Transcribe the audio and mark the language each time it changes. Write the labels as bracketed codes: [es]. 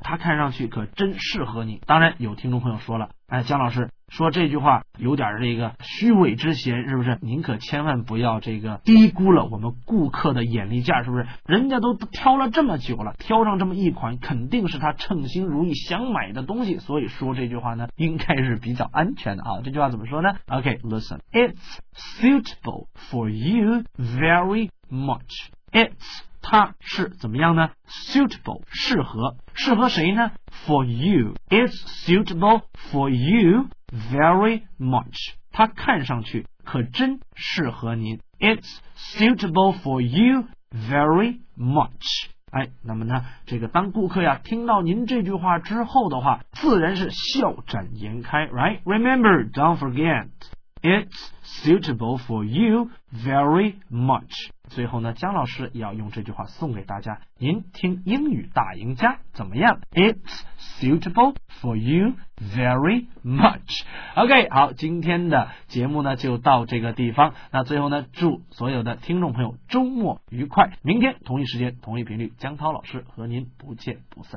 [zh] 他看上去可真适合您。当然有听众朋友说了，哎，姜老师说这句话有点这个虚伪之嫌，是不是？您可千万不要这个低估了我们顾客的眼力价，是不是？人家都挑了这么久了，挑上这么一款，肯定是他称心如意想买的东西，所以说这句话呢应该是比较安全的啊。这句话怎么说呢？ [en] OK, listen, it's suitable for you very much. [zh] It's 它是怎么样呢？ [en] Suitable, [zh] 适合。适合谁呢？ [en] For you. It's suitable for you very much. [zh] 它看上去可真适合您。 [en] It's suitable for you very much. [zh] 哎，那么呢，这个当顾客呀听到您这句话之后的话，自然是笑展颜开， right? [en] Remember, don't forget. It's suitable for you very much. [zh] 最后呢，姜老师也要用这句话送给大家，您听英语大赢家怎么样？ [en] It's suitable for you very much. [zh] OK, 好，今天的节目呢就到这个地方。那最后呢，祝所有的听众朋友周末愉快，明天同一时间同一频率，姜涛老师和您不见不散。